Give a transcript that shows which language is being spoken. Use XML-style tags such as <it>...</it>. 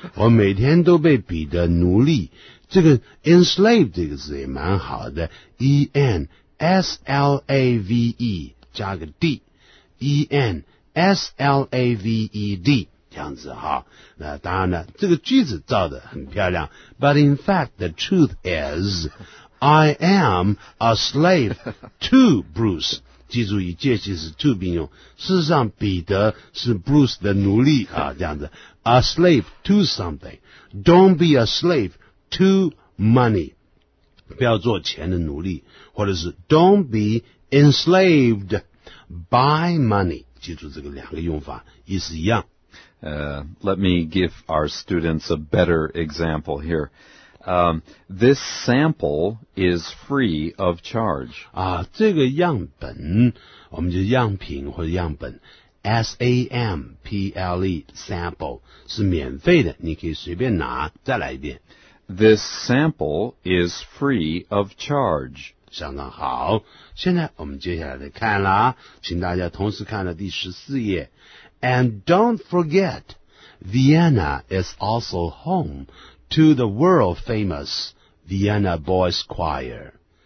<zh>我每天都被彼得奴隶。这个 enslaved 这个字也蛮好的。</zh> <en>E-N-S-L-A-V-E</en> <zh>加个</zh> <en>D。E-N-S-L-A-V-E-D。</en> <zh>这样子哈，那当然了，这个句子造得很漂亮。</zh> <en>But in fact, the truth is, I am a slave to Bruce.</en> <zh>记住，以介系词 to 并用。事实上，彼得是 Bruce 的奴隶啊，这样子。</zh> <en>A slave to something. Don't be a slave to money.</en> <zh>不要做钱的奴隶，或者是</zh> <en>Don't be enslaved by money.</en> <zh>记住这个两个用法，意思一样。</zh> <en>Let me give our students a better example here. This sample is free of charge.</en> <zh>啊，这个样本，我们就样品或者样本 ,S-A-M-P-L-E, sample, 是免费的，你可以随便拿，再来一遍。</zh> <en>This sample is free of charge.</en> <zh>相当好，现在我们接下来看了，请大家同时看了第14页。</zh> <en>And don't forget, Vienna is also home to the world famous Vienna Boys Choir.</en>